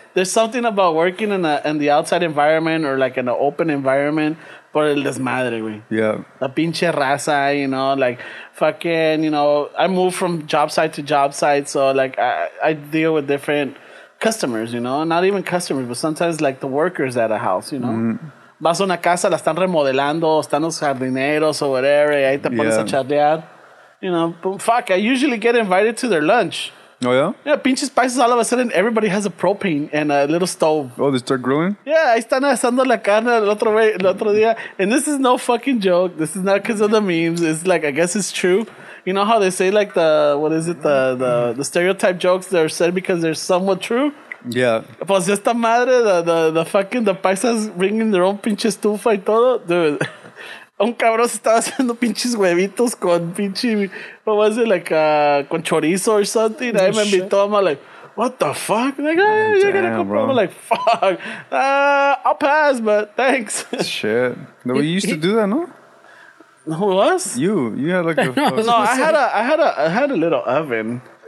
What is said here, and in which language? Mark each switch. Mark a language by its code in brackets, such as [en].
[en] There's something about working in the outside environment or like in an open environment [es] por el desmadre, [en] güey. Yeah. [es] La pinche raza, [en] you know, like fucking, you know, I move from job site to job site. So like I deal with different customers, you know, not even customers, but sometimes like the workers at a house, you know. Mm-hmm. [es] Vas a una casa, la están remodelando, están los jardineros o whatever, y ahí te pones a charlear. [en] You know, but fuck, I usually get invited to their lunch. Oh, yeah? Yeah, pinches spices. All of a sudden, everybody has a propane and a little stove. Oh, they start grilling? [es] Yeah, ahí están asando la carne el otro día. [en] And this is no fucking joke. This is not because of the memes. It's like, I guess it's true. You know how they say, like, the stereotype jokes that are said because they're somewhat true? Yeah. [es] Pues esta madre, [en] the fucking, the paisas bringing their own [es] pinche estufa y todo. Dude, un cabrón se estaba haciendo pinches huevitos con pinche... [en] What was it, like, [es] con chorizo [en] or something? Oh, I remember talking about, like, what the fuck? Like, oh, yeah, you're going to come from? I'm like, fuck. I'll pass, but thanks. Shit. No, he, you used to do that, no? Who was? You. You had, like, a... No, I had a little oven.